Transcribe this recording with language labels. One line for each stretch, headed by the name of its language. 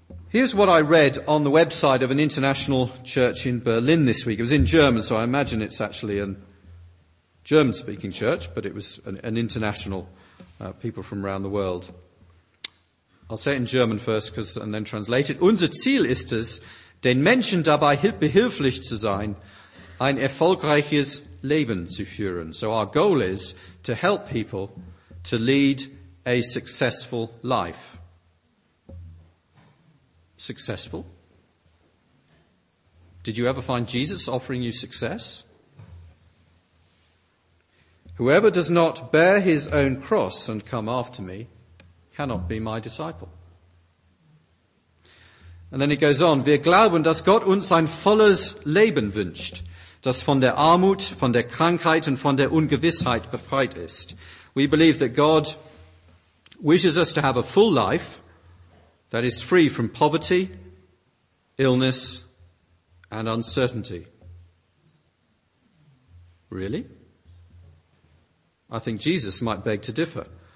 English: Here's what I read on the website of an international church in Berlin this week. It was in German, so I imagine it's actually a German-speaking church, but it was an international, people from around the world. I'll say it in German first, and then translate it.
German: Unser Ziel ist es, den Menschen dabei behilflich zu sein, ein erfolgreiches Leben zu führen.
English: So our goal is to help people to lead a successful life. Successful? Did you ever find Jesus offering you success? Whoever does not bear his own cross and come after me cannot be my disciple. And then he goes on,
German: wir glauben, dass Gott uns ein volles Leben wünscht, das von der Armut, von der Krankheit und von der Ungewissheit befreit ist.
English: We believe that God wishes us to have a full life that is free from poverty, illness, and uncertainty. Really? I think Jesus might beg to differ.